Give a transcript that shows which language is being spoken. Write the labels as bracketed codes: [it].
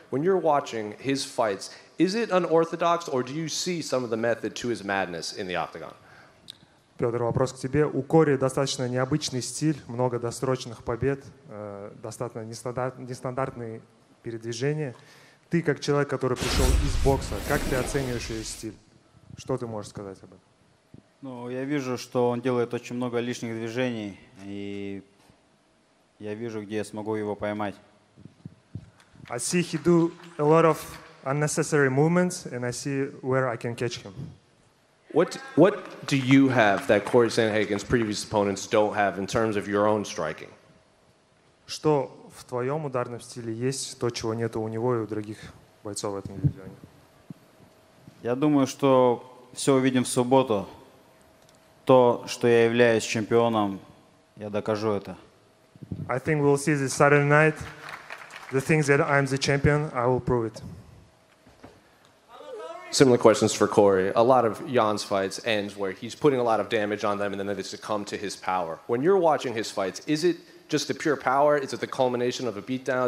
[en] When you're watching his fights, is it unorthodox, or do you see some of the method to his madness in the octagon? [ru] Петр, вопрос к тебе. У Кори достаточно необычный стиль, много досрочных побед, достаточно нестандартные передвижения. Ты, как человек, который пришел из бокса, как ты оцениваешь его стиль? Что ты можешь сказать об этом? Ну, я вижу, что он делает очень много лишних движений, и я вижу, где я смогу его поймать. [en] I see he do a lot of unnecessary movements, and I see where I can catch him. What do you have that Corey Sandhagen's previous opponents don't have in terms of your own striking? [ru] Что в твоем ударном стиле есть, то, чего нет у него и у других бойцов в этом дивизионе? Я думаю, что все увидим в субботу. То, что я являюсь чемпионом, я докажу это. [en] I think we'll see this Saturday night. The things that I'm the champion, I will prove it. Similar questions for Corey. A lot of Jan's fights end where he's putting a lot of damage on them and then they succumb to his power. When you're watching his fights, is it just the pure power? Is it the culmination of a beatdown?